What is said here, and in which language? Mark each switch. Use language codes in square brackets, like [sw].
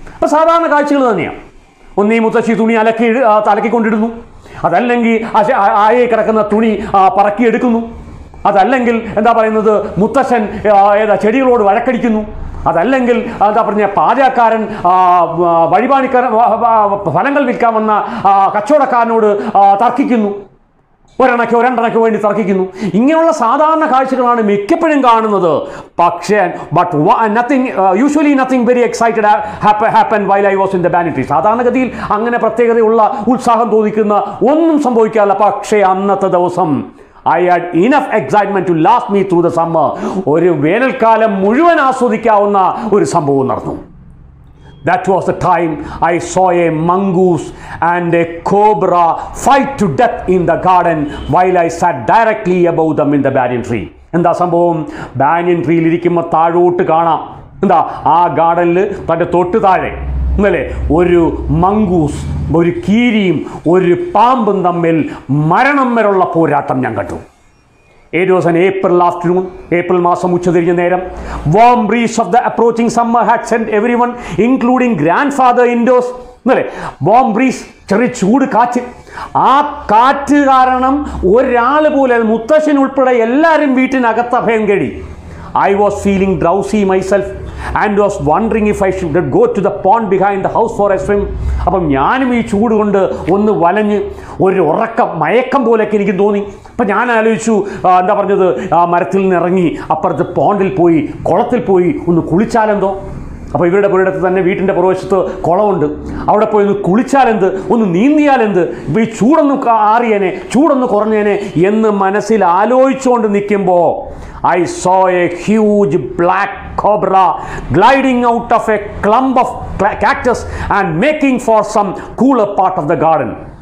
[ml] അപ്പോൾ സാധാരണ കാഴ്ചകൾ തന്നെയാണ്, ഒന്ന് ഈ മുത്തശ്ശി തുണി അലക്കിക്കൊണ്ടിരുന്നു, അതല്ലെങ്കിൽ ആയെ കിടക്കുന്ന തുണി പറക്കിയെടുക്കുന്നു, അതല്ലെങ്കിൽ എന്താ പറയുന്നത് മുത്തശ്ശൻ ഏതാ ചെടികളോട് വഴക്കടിക്കുന്നു, അതല്ലെങ്കിൽ എന്താ പറഞ്ഞ പാചകക്കാരൻ വഴിപാണിക്കാരൻ ഫലങ്ങൾ വിൽക്കാമെന്ന കച്ചവടക്കാരനോട് തർക്കിക്കുന്നു, ഒരെണ്ണയ്ക്കോ രണ്ടെണ്ണയ്ക്കോ വേണ്ടി തർക്കിക്കുന്നു. ഇങ്ങനെയുള്ള സാധാരണ കാഴ്ചകളാണ് മിക്കപ്പോഴും കാണുന്നത്. പക്ഷേ [en] But nothing usually nothing very excited happen while I was in the banyan tree. [ml] സാധാരണഗതിയിൽ അങ്ങനെ പ്രത്യേകതയുള്ള ഉത്സാഹം തോന്നിക്കുന്ന ഒന്നും സംഭവിക്കാറില്ല. പക്ഷേ അന്നത്തെ ദിവസം [en] I had enough excitement to last me through the summer. [ml] ഒരു വേനൽക്കാലം മുഴുവൻ ആസ്വദിക്കാവുന്ന ഒരു സംഭവം നടന്നു. [en] That was the time I saw a mongoose and a cobra fight to death in the garden while I sat directly above them in the banyan tree. [ml] എന്താ സംഭവം? Banyan ട്രീയിൽ ഇരിക്കുമ്പോൾ താഴോട്ട് കാണാം, എന്താ ആ ഗാർഡനിൽ തൻ്റെ തൊട്ട് താഴെ എന്നല്ലേ ഒരു മംഗൂസ് ഒരു കീരിയും ഒരു പാമ്പും തമ്മിൽ മരണം വരെയുള്ള പോരാട്ടം ഞാൻ കണ്ടു. ഏത് ദിവസം? [en] April afternoon, [ml] ഏപ്രിൽ മാസം ഉച്ചതിരിഞ്ഞ നേരം. [en] warm breeze of the approaching summer had send everyone including grandfather indoors [ml] എന്നല്ലേ വാം ബ്രീസ് ചെറിയ ചൂട് കാറ്റ്, ആ കാറ്റ് കാരണം ഒരാൾ പോലെ മുത്തശ്ശൻ ഉൾപ്പെടെ എല്ലാവരും വീട്ടിനകത്ത് അഭയം കേടി. [en] I was feeling drowsy myself and was wondering if I should go to the pond behind the house for a swim. [ml] അപ്പം ഞാനും ഈ ചൂട് കൊണ്ട് ഒന്ന് വലഞ്ഞ് ഒരു ഉറക്കം മയക്കം പോലെയൊക്കെ എനിക്ക് തോന്നി. അപ്പം ഞാൻ ആലോചിച്ചു എന്താ പറഞ്ഞത് ആ മരത്തിൽ നിന്ന് ഇറങ്ങി അപ്പുറത്ത് പോണ്ടിൽ പോയി കുളത്തിൽ പോയി ഒന്ന് കുളിച്ചാലെന്തോ. അപ്പോൾ ഇവരുടെ പുരടത്ത് തന്നെ വീട്ടിൻ്റെ പുറവശത്ത് കുളമുണ്ട്. അവിടെ പോയി ഒന്ന് കുളിച്ചാലെന്ത്, ഒന്ന് നീന്തിയാലെന്ത്, ഈ ചൂടൊന്ന് ആറിയേനെ, ചൂടൊന്ന് കുറഞ്ഞേനെ എന്ന് മനസ്സിൽ ആലോചിച്ചുകൊണ്ട് നിൽക്കുമ്പോൾ [en] I saw a huge black cobra gliding out of a clump of cactus and making for some cooler part of the garden.